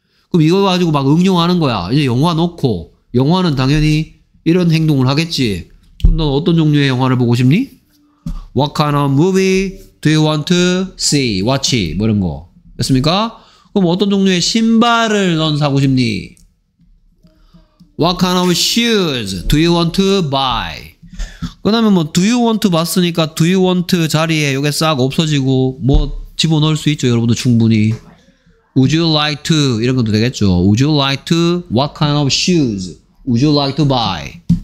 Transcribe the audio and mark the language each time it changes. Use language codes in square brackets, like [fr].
[ko] 그럼 이거 가지고 막 응용하는 거야. 이제 영화 놓고 영화는 당연히 이런 행동을 하겠지. 그럼 넌 어떤 종류의 영화를 보고 싶니? [en] What kind of movie do you want to see? [ko] Watch? 뭐 이런 거. 됐습니까? 그럼 어떤 종류의 신발을 넌 사고 싶니? [en] What kind of shoes do you want to buy? [ko] 그 다음에 뭐 do you want to 봤으니까 do you want to 자리에 이게 싹 없어지고 뭐 집어넣을 수 있죠. 여러분도 충분히. [en] Would you like to [ko] 이런 것도 되겠죠. [en] Would you like to what kind of shoes would you like to buy?